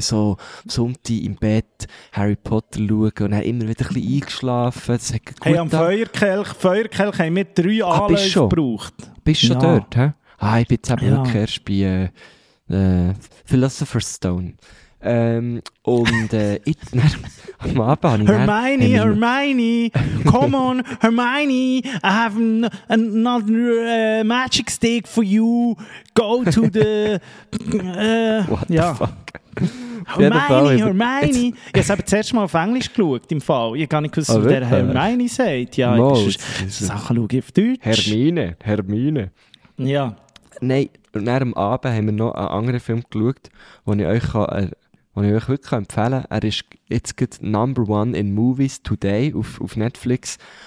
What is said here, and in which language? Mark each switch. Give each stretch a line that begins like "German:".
German: So Sonntag im Bett, Harry Potter schauen und dann immer wieder ein bisschen eingeschlafen. Das hat gut am Feuerkelch haben wir 3 Anläufe gebraucht. Bist du schon dort? Hä? Ah, ich bin jetzt eben wirklich erst bei Philosopher's Stone. Am Abend habe ich
English: Hermione, come on, Hermione, I have another magic stick for you. Go to the... What the fuck? Hermione.
German: Ich habe es eben das erste Mal auf Englisch geschaut, im Fall. Ich kann nicht wissen, was der Hermione sagt. Ja, Sachen schaue ich auf Deutsch. Hermine. Ja. Nein, nach dem Abend haben wir noch einen anderen Film geschaut, den ich euch kann, den ich euch wirklich empfehlen kann. Er ist jetzt gerade
English: Number One in Movies Today
German: auf Netflix.